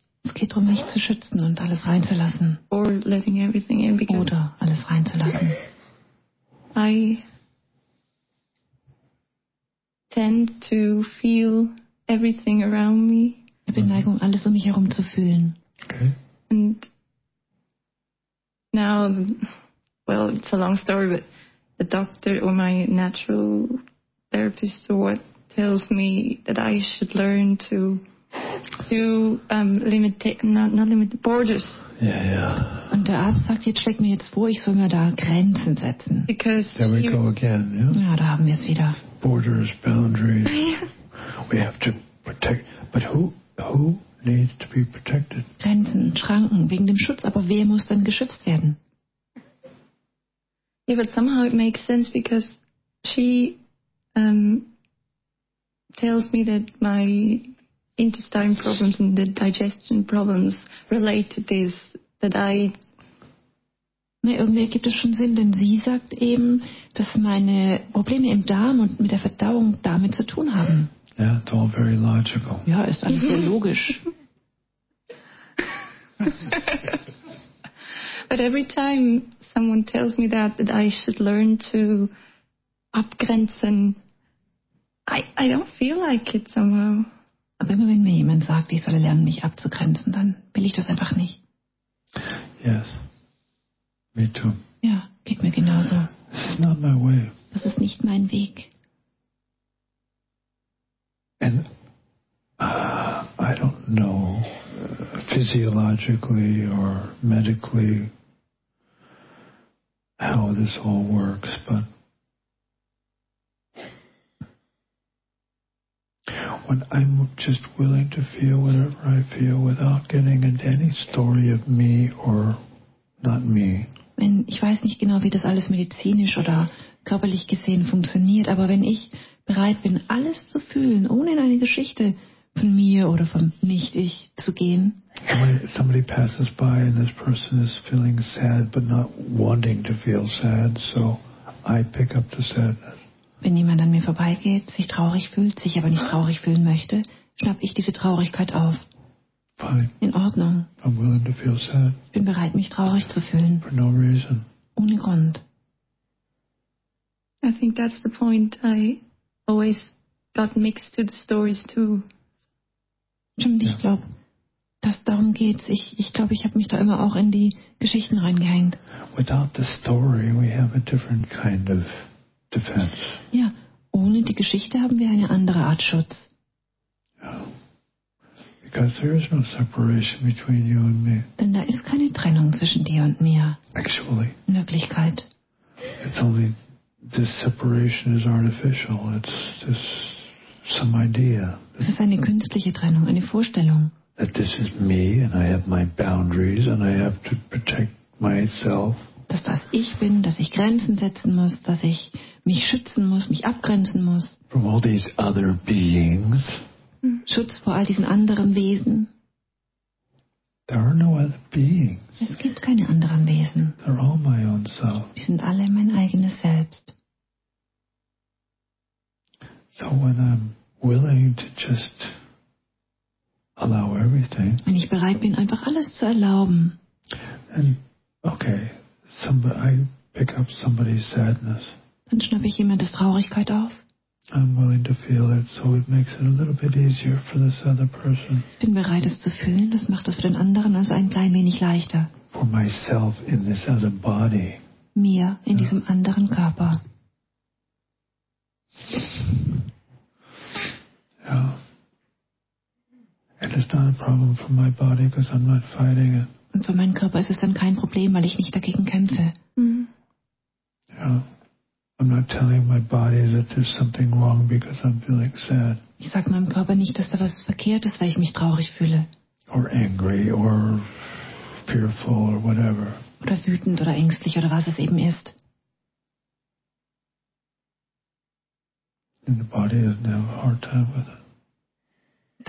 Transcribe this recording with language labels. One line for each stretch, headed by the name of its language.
German: Es geht darum, mich zu schützen und alles reinzulassen.
English: Or letting everything in.
German: Oder alles reinzulassen.
English: I tend to feel everything around me.
German: Ich habe die Neigung, alles um mich herum zu fühlen.
English: Okay. And now, well, it's a long story, but the doctor or my natural therapist or what tells me that I should learn to do not limit the borders. Yeah, yeah.
German: Und der Arzt sagt, jetzt schlägt mir jetzt vor, ich soll mir da Grenzen setzen.
English: Because there we go again, yeah?
German: Ja, da haben wir es wieder.
English: Borders, boundaries. We have to protect. But who needs to be protected?
German: Grenzen, Schranken, wegen dem Schutz. Aber wer muss dann geschützt werden?
English: Yeah, but somehow it makes sense because she tells me that my intestine problems and the digestion problems relate to this, that I...
German: Nee, irgendwie gibt es schon Sinn, denn sie sagt eben, dass meine Probleme im Darm und mit der Verdauung damit zu tun haben.
English: Yeah, it's all very logical.
German: Ja, ist alles sehr logisch.
English: But every time someone tells me that I should learn to abgrenzen, I don't feel like it somehow.
German: Aber immer wenn mir jemand sagt, ich solle lernen, mich abzugrenzen, dann will ich das einfach nicht.
English: Yes. Me too.
German: Ja, geht mir genauso.
English: This is not my way.
German: Das ist nicht mein Weg.
English: And I don't know physiologically or medically how this all works, but when I'm just willing to feel whatever I feel without getting into any story of me or not me.
German: Wenn ich weiß nicht genau, wie das alles medizinisch oder körperlich gesehen funktioniert, aber wenn ich bereit bin, alles zu fühlen, ohne in eine Geschichte von mir oder vom Nicht-Ich zu gehen.
English: Somebody passes by and this person is feeling sad but not wanting to feel sad, so I pick up the sadness.
German: Wenn jemand an mir vorbeigeht, sich traurig fühlt, sich aber nicht traurig fühlen möchte, schnapp ich diese Traurigkeit auf.
English: Fine.
German: In Ordnung.
English: I'm willing to feel sad.
German: Ich bin bereit, mich traurig zu fühlen.
English: For no reason.
German: Ohne Grund.
English: I think that's the point. I always got mixed to the stories too.
German: Stimmt, yeah. Ich glaube, dass darum geht. Ich glaube, ich habe mich da immer auch in die Geschichten reingehängt.
English: Without the story, we have a different kind of defense.
German: Ja, ohne die Geschichte haben wir eine andere Art Schutz.
English: Because there is no separation between you and me.
German: Denn da ist keine Trennung zwischen dir und mir.
English: Actually.
German: In Wirklichkeit.
English: It's only this separation is artificial. It's this some idea.
German: Es ist eine künstliche Trennung, eine Vorstellung.
English: That this is me and I have my boundaries and I have to protect myself.
German: Dass das ich bin, dass ich Grenzen setzen muss, dass ich mich schützen muss, mich abgrenzen muss.
English: From all these other beings.
German: Schutz vor all diesen anderen Wesen.
English: There are no other beings.
German: Es gibt keine anderen Wesen.
English: They're all my own self.
German: Die sind alle mein eigenes Selbst.
English: So when I'm willing to just allow everything.
German: Wenn ich bereit bin, einfach alles zu erlauben.
English: And okay, somebody, I pick up somebody's sadness.
German: Dann schnappe ich jemandes Traurigkeit auf.
English: I'm willing to feel it, so it makes it a little bit easier for this other person.
German: Ich bin bereit, es zu fühlen. Das macht es für den anderen also ein klein wenig leichter.
English: For myself in this other body.
German: Mir in diesem anderen Körper.
English: Yeah. And it's not a problem for my body because I'm not fighting it.
German: Und für meinen Körper ist es dann kein Problem, weil ich nicht dagegen kämpfe.
English: Mm. Yeah. I'm not telling my body that there's something wrong because I'm feeling sad.
German: Ich sag meinem Körper nicht, dass da was verkehrt ist, weil ich mich traurig fühle.
English: Or angry or fearful or whatever.
German: Oder wütend oder ängstlich oder was es eben ist.
English: And the body doesn't have a hard time with it.